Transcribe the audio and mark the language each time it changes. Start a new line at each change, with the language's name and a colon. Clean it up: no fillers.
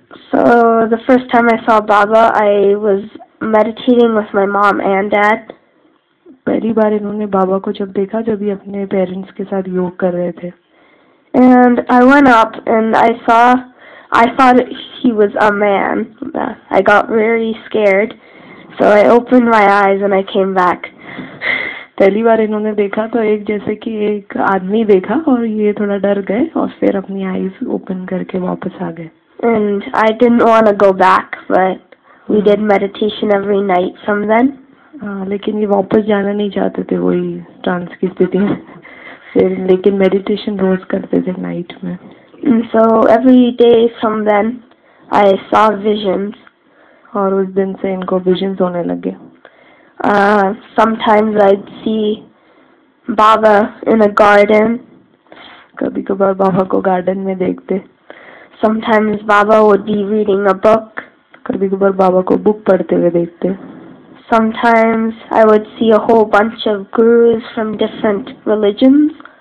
English: So the first time I saw Baba, I was meditating with my mom and dad.
Hindi: पहली बार इन्होंने बाबा को जब देखा जब ये अपने parents के साथ योग कर रहे थे।
English: And I went up and I saw I thought he was a man. I got very scared. So I opened my eyes and I came back.
Hindi: पहली बार इन्होंने देखा तो एक जैसे कि एक आदमी देखा और ये थोड़ा डर गए और फिर अपनी
English: eyes open
Hindi: करके वापस आ गए.
English: And I didn't want to go back, but we did meditation every night from then.
Hindi: लेकिन ये वापस जाना नहीं चाहते थे वही ट्रांस की स्थिति में. फिर लेकिन मेडिटेशन रोज करते थे नाइट में.
English: And so every day from then, I saw visions.
Hindi: और उस दिन से इनको विजन होने लगे.
English: Sometimes I'd see Baba in a garden.
Hindi: कभी कभार बाबा को गार्डन में देखते.
English: Sometimes Baba would be reading a book.
Hindi: कभी कभार बाबा को बुक पढ़ते हुए देखते.
English: Sometimes I would see a whole bunch of gurus from different religions.